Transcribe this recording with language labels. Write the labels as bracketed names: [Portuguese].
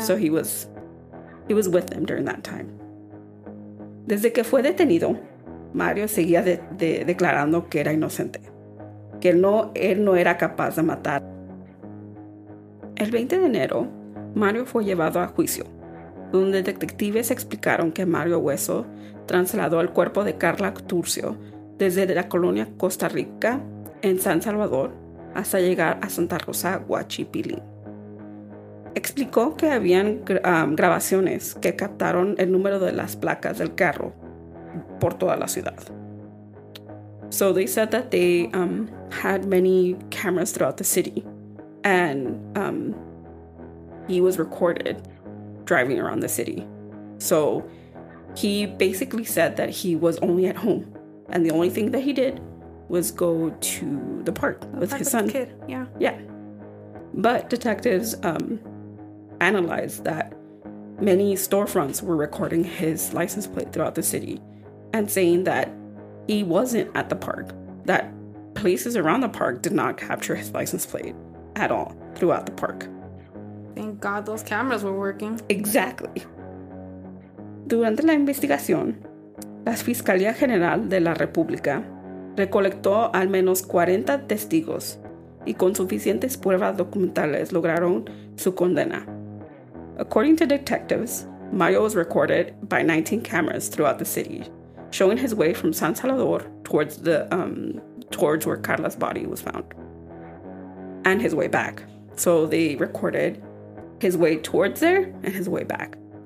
[English] So he was with them during that time. [Spanish] Desde que fue detenido, Mario seguía declarando que era inocente. Que él no era capaz de matar. El 20 de enero, Mario fue llevado a juicio, donde detectives explicaron que Mario Hueso trasladó el cuerpo de Karla Turcio desde la colonia Costa Rica en San Salvador hasta llegar a Santa Rosa, Huachipilín. Explicó que habían grabaciones que captaron el número de las placas del carro por toda la ciudad. [English] So they said that they had many cameras throughout the city, and he was recorded driving around the city. So he basically said that he was only at home, and the only thing that he did was go to the park with his son. Kid. Yeah. Yeah. But detectives analyzed that many storefronts were recording his license plate throughout the city and saying that he wasn't at the park, that places around the park did not capture his license plate at all throughout the park. Thank God those cameras were working. Exactly. [Spanish] Durante la investigación, la Fiscalía General de la República recolectó al menos 40 testigos y con suficientes pruebas documentales lograron su condena. [English] According to detectives, Mario was recorded by 19 cameras throughout the city, showing his way from San Salvador towards the towards where Karla's body was found, and his way back. So they recorded his way towards there and his way back.